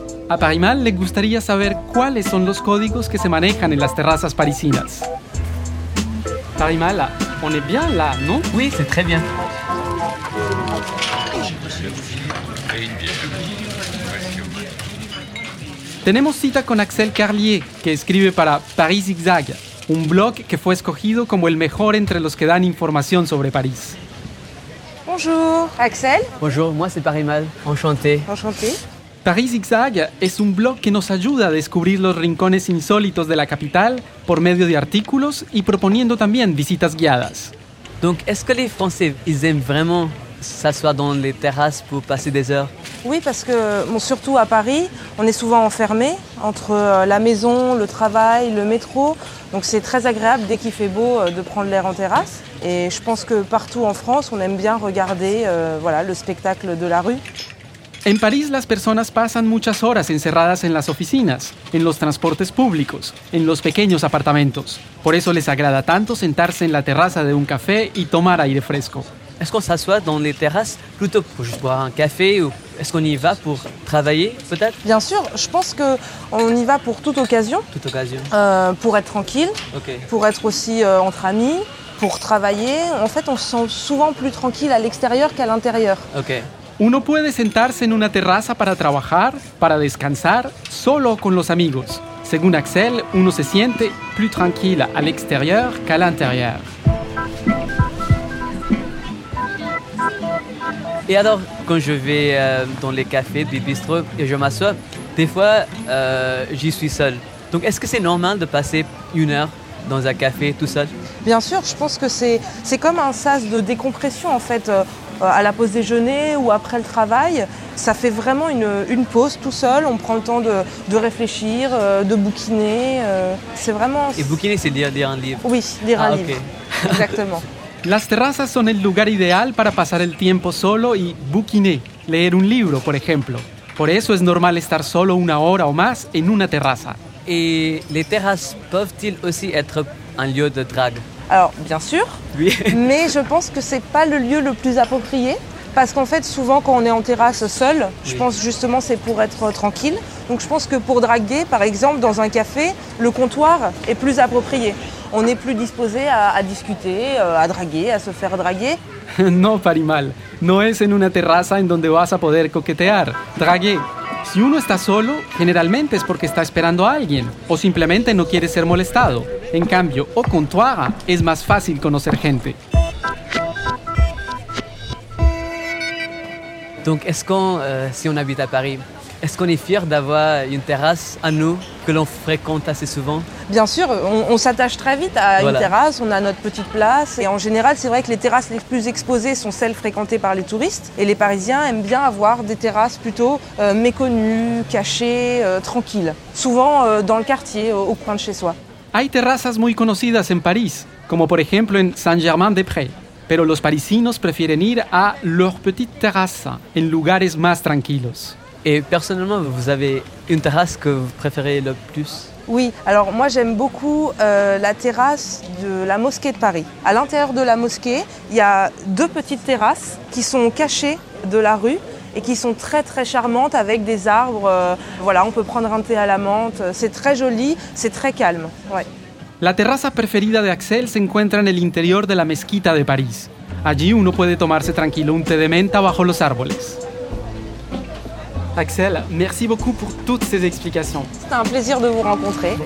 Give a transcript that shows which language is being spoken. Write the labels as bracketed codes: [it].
[es] A Parimal le gustaría saber cuáles son los códigos que se manejan en las terrazas parisinas. [fr] Parimal, on est bien là, non? Oui, c'est très bien. [es] Tenemos cita con Axel Carlier, que escribe para Paris Zigzag, un blog que fue escogido como el mejor entre los que dan información sobre París. [fr] Bonjour, Axel. Bonjour, moi c'est Parimal. Enchanté. Enchanté. [es] Paris Zigzag es un blog que nos ayuda a descubrir los rincones insólitos de la capital por medio de artículos y proponiendo también visitas guiadas. [fr] Donc, ¿est-ce que les Français, ils aiment vraiment s'asseoir dans les terrasses pour passer des heures? Oui, parce que bon, surtout à Paris, on est souvent enfermé entre la maison, le travail, le métro. Donc c'est très agréable dès qu'il fait beau de prendre l'air en terrasse. Et je pense que partout en France, on aime bien regarder voilà, le spectacle de la rue. [es] En París, las personas pasan muchas horas encerradas en las oficinas, en los transportes públicos, en los pequeños apartamentos. Por eso les agrada tanto sentarse en la terraza de un café y tomar aire fresco. [fr] Est-ce qu'on s'assoit dans les terrasses plutôt pour juste boire un café ou est-ce qu'on y va pour travailler peut-être? Bien sûr, je pense qu'on y va pour toute occasion. Toute occasion. Pour être tranquille, okay. Pour être aussi entre amis, pour travailler. En fait, on se sent souvent plus tranquille à l'extérieur qu'à l'intérieur. Ok. [es] Uno puede sentarse en una terraza para trabajar, para descansar, solo con los amigos. Según Axel, uno se siente [fr] plus tranquille à l'extérieur qu'à l'intérieur. Et alors, quand je vais dans les cafés, des bistrots et je m'assois, des fois, j'y suis seul. Donc, est-ce que c'est normal de passer une heure dans un café tout seul? Bien sûr, je pense que c'est comme un sas de décompression, en fait, à la pause déjeuner ou après le travail. Ça fait vraiment une pause tout seul. On prend le temps de réfléchir, de bouquiner. C'est vraiment... Et bouquiner, c'est lire un livre? Oui, lire un livre. Okay. Exactement. [es] Las terrazas son el lugar ideal para pasar el tiempo solo y bouquiner, leer un libro, por ejemplo. Por eso es normal estar solo una hora o más en una terraza. ¿Y las terrazas pueden aussi ser un lugar de drague? [fr] Alors, bien sûr, oui. Mais je pense que ce n'est pas le lieu le plus approprié. Parce qu'en fait, souvent, quand on est en terrasse seul, je pense justement c'est pour être tranquille. Donc je pense que pour draguer, par exemple, dans un café, le comptoir est plus approprié. On est plus disposé à discuter, à draguer, à se faire draguer. Non, Parimal. [es] No es en una terraza en donde vas a poder coquetear, draguer. Si uno está solo, generalmente es porque está esperando a alguien o simplemente no quiere ser molestado. En cambio, [fr] au comptoir, [es] es más fácil conocer gente. [fr] Donc, est-ce qu'on, si on habite à Paris, est-ce qu'on est fier d'avoir une terrasse à nous que l'on fréquente assez souvent? Bien sûr, on s'attache très vite à une terrasse, on a notre petite place. Et en général, c'est vrai que les terrasses les plus exposées sont celles fréquentées par les touristes. Et les Parisiens aiment bien avoir des terrasses plutôt méconnues, cachées, tranquilles. Souvent dans le quartier, au coin de chez soi. [es] Hay terrazas muy conocidas en París, como por ejemplo en Saint-Germain-des-Prés. Pero los parisinos prefieren ir a [fr] leur petite terrasse, [es] en lugares más tranquilos. [fr] Et personnellement, vous avez une terrasse que vous préférez le plus? Oui, alors moi j'aime beaucoup la terrasse de la mosquée de Paris. À l'intérieur de la mosquée, il y a 2 petites terrasses qui sont cachées de la rue et qui sont très très charmantes avec des arbres. Voilà, on peut prendre un thé à la menthe, c'est très joli, c'est très calme. Ouais. [es] La terraza preferida de Axel se encuentra en el interior de la mezquita de París. Allí uno puede tomarse tranquilo un té de menta bajo los árboles. [fr] Axel, merci beaucoup pour toutes ces explications. C'était un plaisir de vous rencontrer.